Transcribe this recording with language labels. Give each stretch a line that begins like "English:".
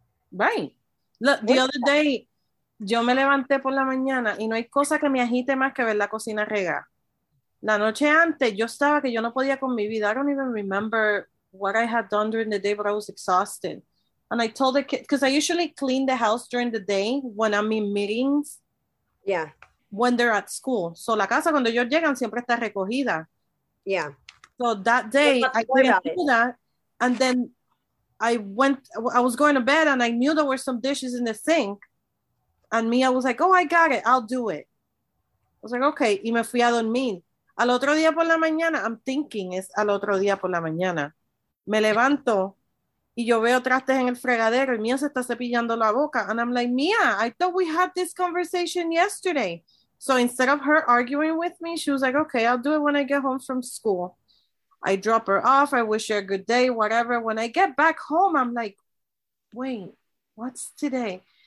English: right? Look, the other day
Spanish: yo me levanté por la mañana y no hay cosa que me agite más que ver la cocina regar. La noche antes yo estaba que yo no podía con mi vida.
English: I don't even remember what I had done during the day, but I was exhausted. And I told the kids, because I usually clean the house during the day when I'm in meetings, mm-hmm. when they're at school.
Spanish: So la casa cuando ellos llegan siempre está recogida.
English: Yeah. So that day I didn't do that, and then I was going to bed and I knew there were some dishes in the sink, and Mia was like, "Oh, I got it. I'll do it." I was like, "Okay,"
Spanish: y me fui a dormir. Al otro día por la mañana,
English: I'm thinking
Spanish: es al otro día por la mañana. Me levanto y yo veo trastes en el fregadero y Mia se está cepillando la boca.
English: And I'm like, Mia, I thought we had this conversation yesterday. So instead of her arguing with me, she was like, okay, I'll do it when I get home from school. I drop her off. I wish her a good day, whatever. When I get back home, I'm like, wait, what's today?